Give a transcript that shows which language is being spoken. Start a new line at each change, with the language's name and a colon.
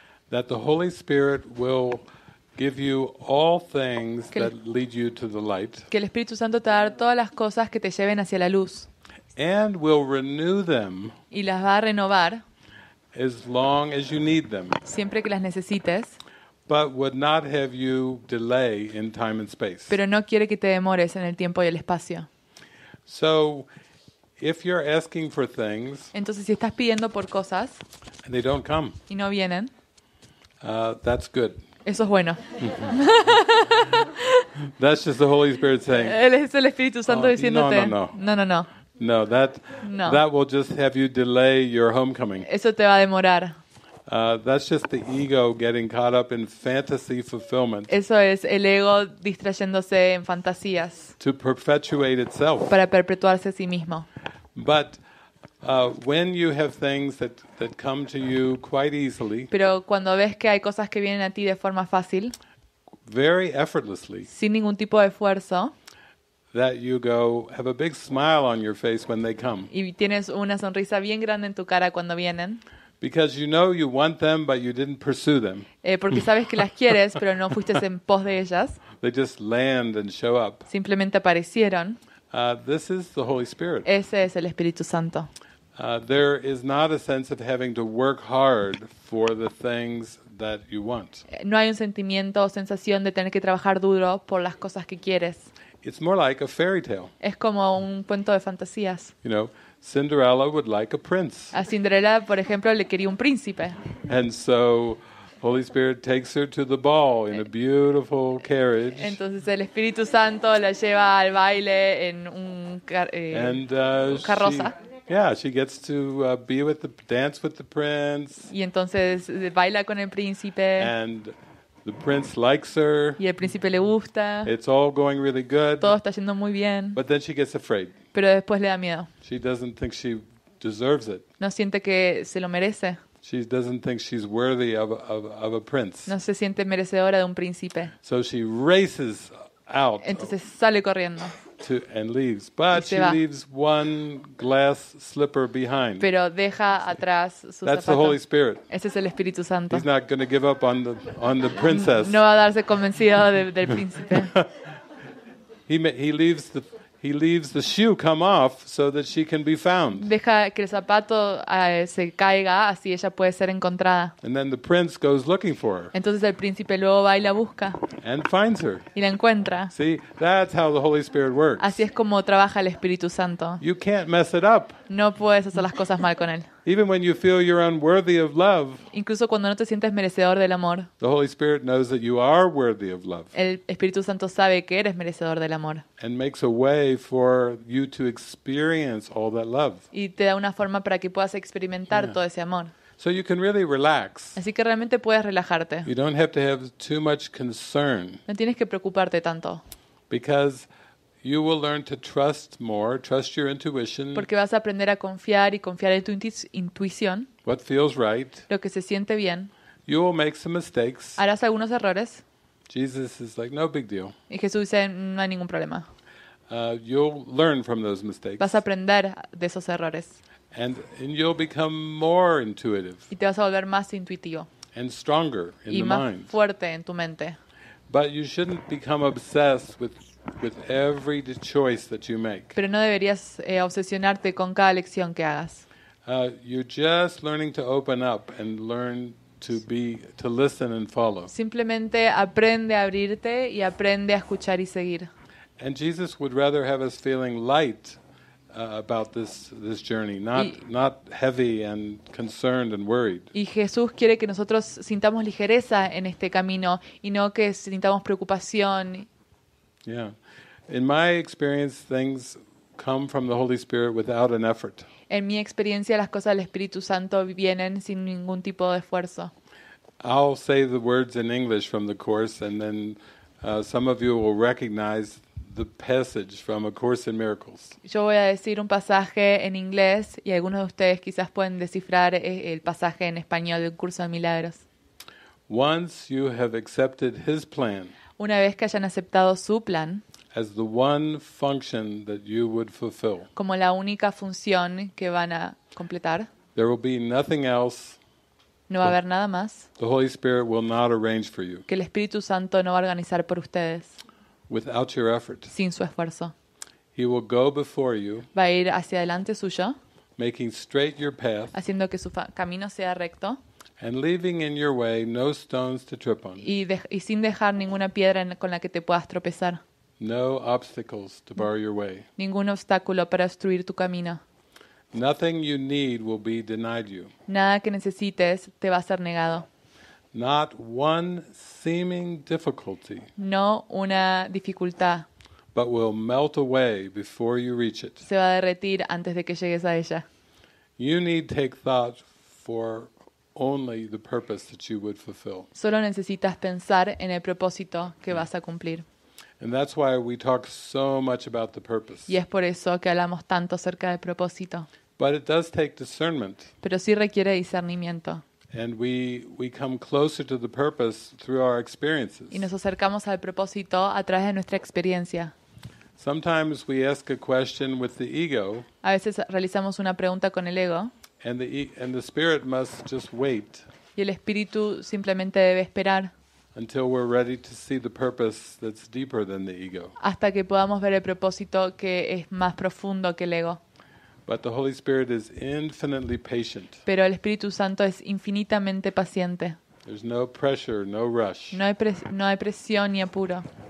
English: that the Holy Spirit will give you all things that lead you to the light.
Spanish: Que el Espíritu Santo te dará todas las cosas que te lleven hacia la luz.
English: And will renew them.
Spanish: Y las va a renovar.
English: As long as you need them.
Spanish: Siempre que las necesites.
English: But would not have you delay in time and space.
Spanish: Pero no quiere que te demores en el tiempo y el espacio.
English: So, if you're asking for things.
Spanish: Entonces si estás pidiendo por cosas.
English: And they don't come.
Spanish: Y no vienen.
English: That's good.
Spanish: Eso es bueno.
English: That's just the Holy Spirit saying.
Spanish: Él es el Espíritu Santo diciéndote.
English: No. That will just have you delay your homecoming.
Spanish: Eso te va a demorar.
English: That's just the ego getting caught up in fantasy fulfillment.
Spanish: Eso es el ego distrayéndose en fantasías.
English: To perpetuate itself.
Spanish: Para perpetuarse a sí mismo.
English: But when you have things that come to you quite easily.
Spanish: Pero cuando ves que hay cosas que vienen a ti de forma fácil.
English: Very effortlessly.
Spanish: Sin ningún tipo de esfuerzo.
English: That you go have a big smile on your face when they come.
Spanish: Y tienes una sonrisa bien grande en tu cara cuando vienen.
English: Because you know you want them, but you didn't pursue them.
Spanish: Porque sabes que las quieres, pero no fuiste en pos de ellas.
English: They just land and show up.
Spanish: Simplemente aparecieron.
English: This is the Holy Spirit.
Spanish: Ese es el Espíritu Santo.
English: There is not a sense of having to work hard for the things that you want.
Spanish: No hay un sentimiento o sensación de tener que trabajar duro por las cosas que quieres.
English: It's more like a fairy tale.
Spanish: Es como un cuento de fantasías.
English: You know, Cinderella would like a prince.
Spanish: A Cinderella, por ejemplo, le quería un príncipe.
English: And so, Holy Spirit takes her to the ball in a beautiful carriage.
Spanish: Entonces el Espíritu Santo la lleva al baile en un carroza.
English: She gets to be with the dance with the prince.
Spanish: Y entonces baila con el príncipe.
English: And the prince likes her.
Spanish: Y el príncipe le gusta.
English: It's all going really good.
Spanish: Todo está yendo muy bien.
English: But then she gets afraid.
Spanish: Pero después le da miedo.
English: She doesn't think she deserves it.
Spanish: No siente que se lo merece.
English: She doesn't think she's worthy of a prince.
Spanish: No se siente merecedora de un príncipe.
English: So she races out.
Spanish: Entonces sale corriendo.
English: And leaves, but she leaves one glass slipper behind.
Spanish: Pero deja atrás su zapato.
English: That's the Holy Spirit.
Spanish: Ese es el Espíritu Santo.
English: He's not going to give up on the princess.
Spanish: No va a darse convencido del príncipe.
English: He leaves the shoe come off so that she can be found.
Spanish: Deja que el zapato se caiga así ella puede ser encontrada.
English: And then the prince goes looking for her.
Spanish: Entonces el príncipe luego va y la busca.
English: And finds her.
Spanish: Y la encuentra.
English: See, that's how the Holy Spirit works.
Spanish: Así es como trabaja el Espíritu Santo.
English: You can't mess it up.
Spanish: No puedes hacer las cosas mal con él.
English: Even when you feel you're unworthy of love.
Spanish: Incluso cuando no te sientes merecedor del amor.
English: The Holy Spirit knows that you are worthy of love.
Spanish: El Espíritu Santo sabe que eres merecedor del amor.
English: And makes a way for you to experience all that love.
Spanish: Y te da una forma para que puedas experimentar todo ese amor.
English: So you can really relax.
Spanish: Así que realmente puedes relajarte.
English: You don't have to have too much concern.
Spanish: No tienes que preocuparte tanto.
English: Because you will learn to trust more, trust your intuition.
Spanish: Porque vas a aprender a confiar y confiar en tu intuición.
English: What feels right.
Spanish: Lo que se siente bien.
English: You will make some mistakes.
Spanish: Harás algunos errores.
English: Jesus is like, no big deal.
Spanish: Y Jesús dice, no hay ningún problema.
English: You'll learn from those mistakes.
Spanish: Vas a aprender de esos errores.
English: And you'll become more intuitive.
Spanish: Y te vas a volver más intuitivo.
English: And stronger in the mind.
Spanish: Y más fuerte en tu mente.
English: But you shouldn't become obsessed with every choice that you make.
Spanish: Pero no deberías obsesionarte con cada elección que hagas.
English: You're just learning to open up and learn to listen and follow.
Spanish: Simplemente aprende a abrirte y aprende a escuchar y seguir.
English: And Jesus would rather have us feeling light about this journey, not heavy and concerned and worried.
Spanish: Y Jesús quiere que nosotros sintamos ligereza en este camino y no que sintamos preocupación
English: Yeah. In my experience, things come from the Holy Spirit without an effort.
Spanish: En mi experiencia, las cosas del Espíritu Santo vienen sin ningún tipo de esfuerzo.
English: I'll say the words in English from the Course, and then some of you will recognize the passage from A Course in Miracles.
Spanish: Yo voy a decir un pasaje en inglés, y algunos de ustedes quizás pueden descifrar el pasaje en español de Un Curso de Milagros.
English: Once you have accepted His plan,
Spanish: una vez que hayan aceptado su plan,
English: as the one function that you would fulfill,
Spanish: como la única función que van a completar,
English: there will be nothing else.
Spanish: No va a haber nada más.
English: The Holy Spirit will not arrange for you.
Spanish: Que el Espíritu Santo no va a organizar por ustedes.
English: Without your effort.
Spanish: Sin su esfuerzo.
English: He will go before you.
Spanish: Va a ir hacia adelante suyo.
English: Making straight your path.
Spanish: Haciendo que su camino sea recto.
English: And leaving in your way no stones to trip on.
Spanish: Y sin dejar ninguna piedra con la que te puedas tropezar.
English: No obstacles to bar your way.
Spanish: Ningún obstáculo para obstruir tu camino.
English: Nothing you need will be denied you.
Spanish: Nada que necesites te va a ser negado.
English: Not one seeming difficulty.
Spanish: No una dificultad.
English: But will melt away before you reach it.
Spanish: Se va a derretir antes de que llegues a ella.
English: You need take thought for only the purpose that you would fulfill.
Spanish: Solo necesitas pensar en el propósito que vas a cumplir.
English: And that's why we talk so much about the purpose.
Spanish: Y es por eso que hablamos tanto acerca del propósito.
English: But it does take discernment.
Spanish: Pero sí requiere discernimiento.
English: And we come closer to the purpose through our experiences.
Spanish: Y nos acercamos al propósito a través de nuestra experiencia.
English: Sometimes we ask a question with the ego.
Spanish: A veces realizamos una pregunta con el ego.
English: And the spirit must just wait.
Spanish: Y el espíritu simplemente debe esperar.
English: Until we're ready to see the purpose that's deeper than the ego.
Spanish: Hasta que podamos ver el propósito que es más profundo que el ego.
English: But the Holy Spirit is infinitely patient.
Spanish: Pero el Espíritu Santo es infinitamente paciente.
English: There's no pressure, no rush.
Spanish: No hay presión ni apuro.